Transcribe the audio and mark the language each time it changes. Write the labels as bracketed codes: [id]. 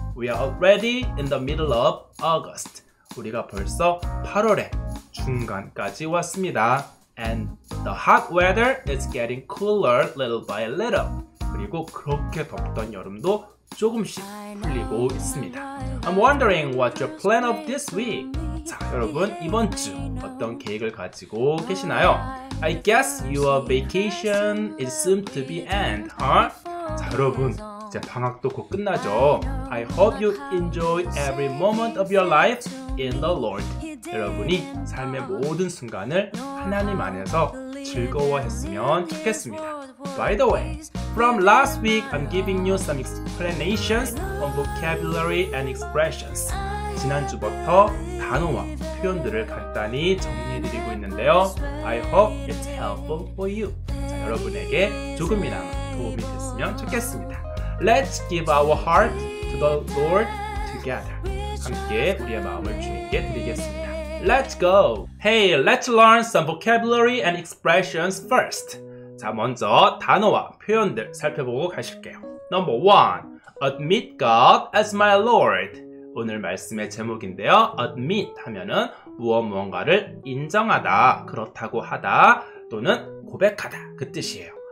[en] We are already in the middle of August. [ko] 우리가 벌써 8월의 중간까지 왔습니다. [en] And the hot weather is getting cooler little by little. [ko] 그리고 그렇게 덥던 여름도 조금씩 풀리고 있습니다. [en] I'm wondering what's your plan of this week? [ko] 자, 여러분, 이번 주 어떤 계획을 가지고 계시나요? [en] I guess your vacation is soon to be end, huh? [ko] 자, 여러분, 이제 방학도 곧 끝나죠? [en] I hope you enjoy every moment of your life in the Lord. [ko] 여러분이 삶의 모든 순간을 하나님 안에서 즐거워했으면 좋겠습니다. [en] By the way, from last week, I'm giving you some explanations on vocabulary and expressions. [ko] 지난주부터 단어와 표현들을 간단히 정리해드리고 있는데요. [en] I hope it's helpful for you. [ko] 자, 여러분에게 조금이나마 도움이 됐으면 좋겠습니다. [en] Let's give our heart to the Lord together. [ko] 함께 우리의 마음을 주님께 드리겠습니다. [en] Let's go! Hey, let's learn some vocabulary and expressions first. [ko] 자, 먼저 단어와 표현들 살펴보고 가실게요. [en] Number one, admit God as my Lord. [ko] 오늘 말씀의 제목인데요. admit 하면은 무언가를 인정하다, 그렇다고 하다, 또는 고백하다, 그 뜻이에요.